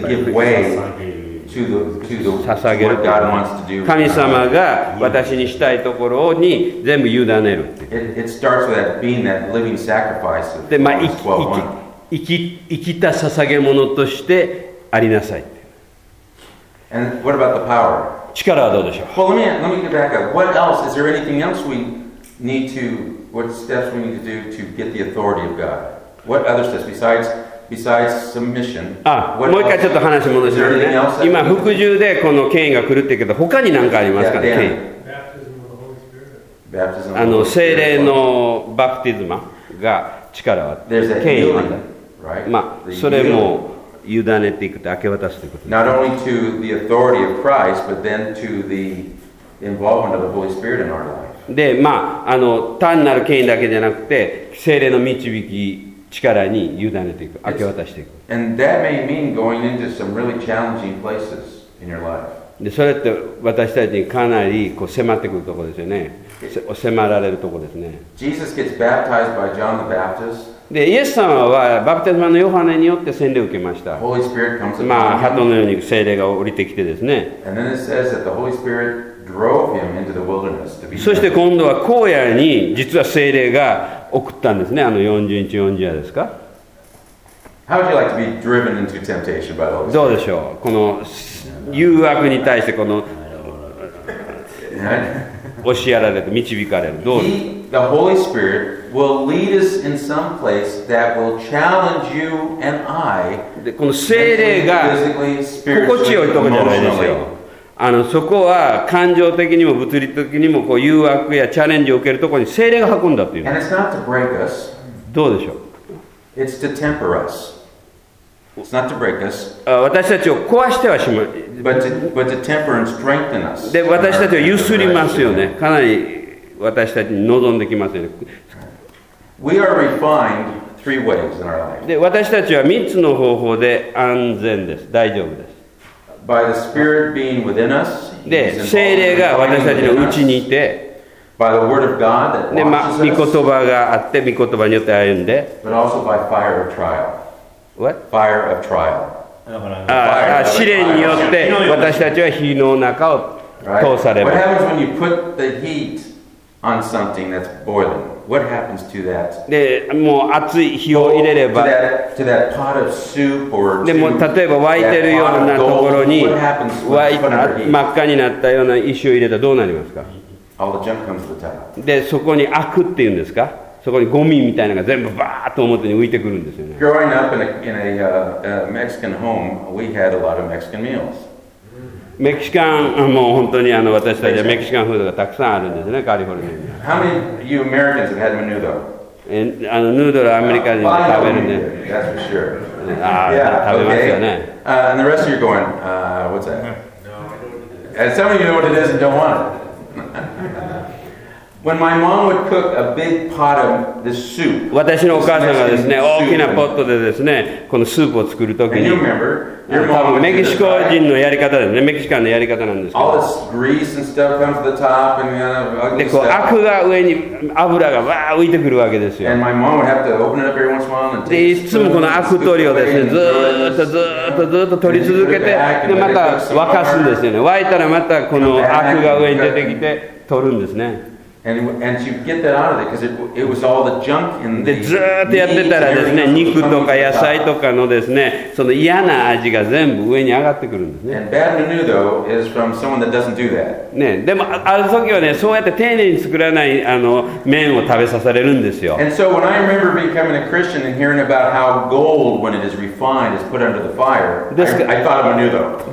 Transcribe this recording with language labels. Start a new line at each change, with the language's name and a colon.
English: To give way to the what God wants to do.
Japanese: 神様が私にしたいところに全部委ねる。
English: It starts with that being that living sacrifice.
Japanese: で、生きた捧げ物としてありなさい。
English: And what about the power?
Japanese: 力はどうでしょう。
English: Well, let me get back up. What else? Is there anything else we need to? What steps we need to do to get the authority of God? What other steps besides? Besides submission?
Japanese: もう一回ちょっと話戻します、ね。今服従でこの権威が来るって言うけど、他に何かありますかね？
English: Yeah,
Japanese: 権威。聖霊のバプティズマが力は権威なんだ。まあそれも委ねていくと明け渡すということ。
English: Not only to the authority of Christ, but then to the involvement of the Holy Spirit in our life.
Japanese: で、単なる権威だけじゃなくて聖霊の導き力に委ねていく、明け渡していく。
English: And that may mean going into some really challenging places in your life.
Japanese: で、それって私たちにかなりこう迫ってくるところですよね。迫られるところですね。
English: Jesus gets baptized by John the Baptist.
Japanese: で、イエス様はバプテスマのヨハネによって洗礼を受けました。
English: Holy Spirit comes upon him.
Japanese: 鳩のように聖霊が降りてきてですね。
English: And then it says that the Holy Spirit drove him into the wilderness to be.
Japanese: そして今度は荒野に実は聖霊が送ったんですね。 40日40夜ですか。
English: How would you like to be driven into temptation by the Holy Spirit?
Japanese: どうでしょう。この誘惑に対してこの押しやられて導かれる、どうですか。
English: The Holy Spirit will lead us in some place that will challenge you and I.
Japanese: で、この聖霊が心地よいところじゃないですよ。そこは感情的にも物理的にもこう誘惑やチャレンジを受けるところに聖霊が運んだっていう。
English: And it's not to break us.
Japanese: どうでしょう。
English: It's to temper us. It's not to break us.
Japanese: 私たちを壊してはしまう。
English: But to temper and strengthen us.
Japanese: で、私たちを揺すりますよね。かなり私たちに望んできますよね。
English: We are refined three ways in our life.
Japanese: で、私たちは3つの方法で安全です。大丈夫です。
English: By the Spirit being within us.
Japanese: で、聖霊が私たちの内にいて。
English: by the word of God that washes us.
Japanese: 御言葉があって御言葉によって歩んで。
English: But also by fire of trial. What? Fire of trial.
Japanese: 試練によって私たちは火の中を通されます。
English: What happens when you put the heat on something that's boiling? What happens to that?
Japanese: で、もう熱い火を入れれば、
English: to that pot of soup or
Japanese: でも例えば沸いてるようなところに真っ赤になったような石を入れたらどうなりますか？
English: All the junk comes to the top.
Japanese: で、そこに悪っていうんですか？そこにゴミみたいなのが全部バーッと表に浮いてくるんですよね。
English: Growing up in a Mexican home, we had a lot of Mexican meals.
Japanese: メキシカン、もう本当にあの私たちはメキシカンフードがたくさんあるんですね、カリフォルニアに。
English: How many of you Americans have had menudo?
Japanese: あの、ヌードルはアメリカ人で食べるね。
English: That's for sure.
Japanese: ああ、食べますよね。
English: And the rest of you are going, what's that? And some of you know what it is and don't want it. When my mom would cook a big pot of this soup,
Japanese: 私のお母さんがですね、大きなポットでですね、このスープを作るときに、メキシコ人のやり方ですね、メキシカンのやり方なんですけど、
English: all this grease and stuff comes to the top and the ugly stuff.
Japanese: で、こう、アクが上に油がわー浮いてくるわけですよ。
English: And my mom would have to open it up every once in a while and take it.
Japanese: で、いつもこのアク取りをですね、ずーっとずーっとずーっと取り続けて、で、また沸かすんですよね。沸いたらまたこのアクが上に出てきて取るんですね。
English: And you get that out of it because it was all the junk in the meat.
Japanese: ずっとやってたらですね、肉とか野菜とかのですね、その嫌な味が全部上に上がってくるんですね。
English: And bad menudo is from someone that doesn't do that.
Japanese: ね、でもある時はね、そうやって丁寧に作らないあの麺を食べさされるんですよ。
English: And so when I remember becoming a Christian and hearing about how gold, when it is refined, is put under the fire, I thought of menudo.